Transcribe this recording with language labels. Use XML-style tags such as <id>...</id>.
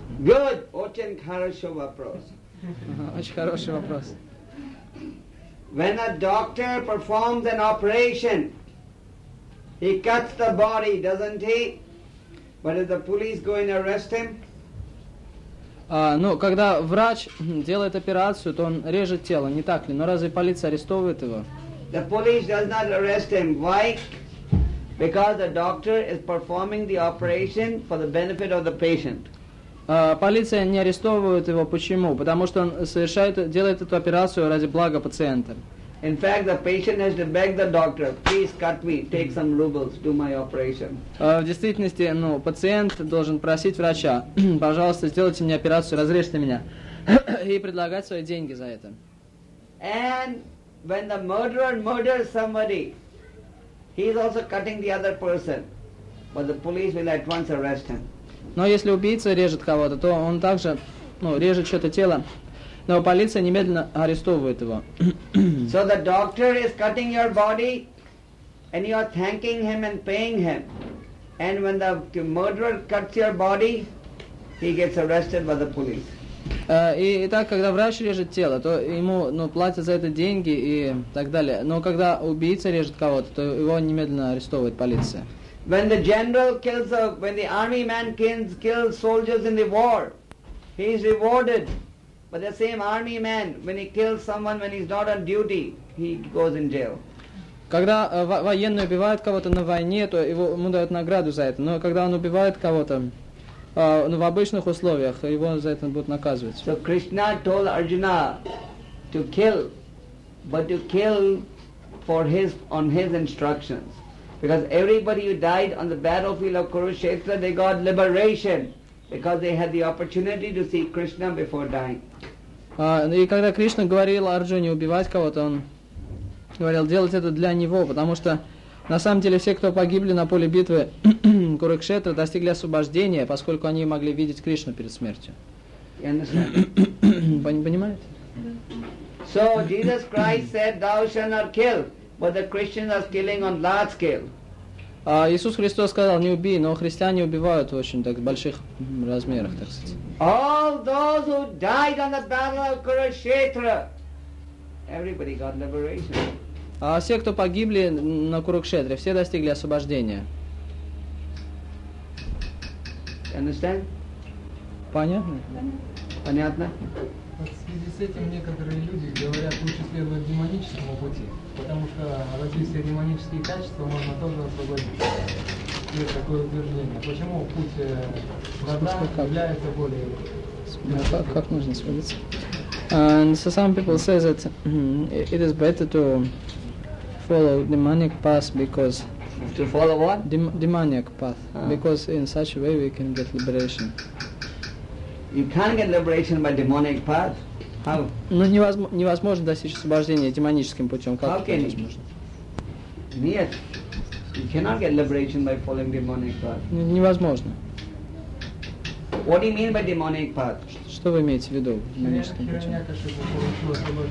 <en>Good.</en> <ru>Очень хороший вопрос. Очень хороший вопрос.</ru> <en>When a doctor performs an operation, he cuts the body, doesn't he? But is the police going to arrest him?</en> <ru>Ну, когда врач делает операцию, то он режет тело, не так ли? Но разве полиция арестовывает его?</ru> <en>The police does not arrest him. Why? Because the doctor is performing the operation for the benefit of the patient.</en> <ru>Полиция не арестовывает его. Почему? Потому что он совершает, делает эту операцию ради блага пациента.</ru> <en>In fact, the patient has to beg the doctor, please cut me, take some rubles, do my operation.</en> <ru>В действительности, ну, пациент должен просить врача, пожалуйста, сделайте мне операцию, разрежьте меня, и предлагать свои деньги за это.</ru> <en>And when the murderer murders somebody, he is also cutting the other person, but the police will at once arrest him.</en> <ru>Но если убийца режет кого-то, то он также, ну, режет чье-то тело, но полиция немедленно арестовывает его.</ru> <en>So the doctor is cutting your body, and you are thanking him and paying him. And when the murderer cuts your body, he gets arrested by the police.</en> <ru>Итак, когда врач режет тело, то ему, ну, платят за это деньги и так далее. Но когда убийца режет кого-то, то его немедленно арестовывает полиция.</ru> <en>When the general kills a, when the army man kills soldiers in the war, he is rewarded. But the same army man, when he kills someone when he's not on duty, he goes in jail.</en> <ru>Когда военный убивает кого-то на войне, то ему дают награду за это. Но когда он убивает кого-то в обычных условиях, его за это будут наказывать.</ru> <en>So Krishna told Arjuna to kill, but to kill for his on his instructions. Because everybody who died on the battlefield of Kurukshetra, they got liberation because they had the opportunity to see Krishna before dying.</en> <ru>И когда Кришна говорил Арджуне убивать кого-то, он говорил делать это для него, потому что на самом деле все, кто погибли на поле битвы Курукшетра, достигли освобождения, поскольку они могли видеть Кришну перед смертью.</ru> <en>You understand?</en> <ru>Понимаете?</ru> <en>So Jesus Christ said, "Thou shalt not kill." But the Christians are killing on large scale.</en> <ru>Иисус Христос сказал, не убий, но христиане убивают в очень так больших размерах, так сказать.</ru> <en>All those who died on the battle of Kurukshetra, everybody got liberation.</en> <ru>Все, кто погибли на Курукшетре, все достигли освобождения.</ru> <en>You understand?</en> <ru>Понятно? Понятно? В связи с этим некоторые люди говорят, лучше следовать демоническому пути, потому что развитие демонические качества можно тоже освободить. Есть такое утверждение. Почему путь Бхагавана является более... Как нужно сводиться?</ru> <en>And so some people say that it is better to follow demonic path because... To follow what? Demonic path. Because in such a way we can get liberation. You can't get liberation by demonic path.</en> <ru>Ну, невозможно достичь освобождения демоническим путем. Как это возможно? Нет. Невозможно.</ru> <en>What do you mean by demonic path?</en> <ru>Что вы имеете в виду демоническим путем?</ru>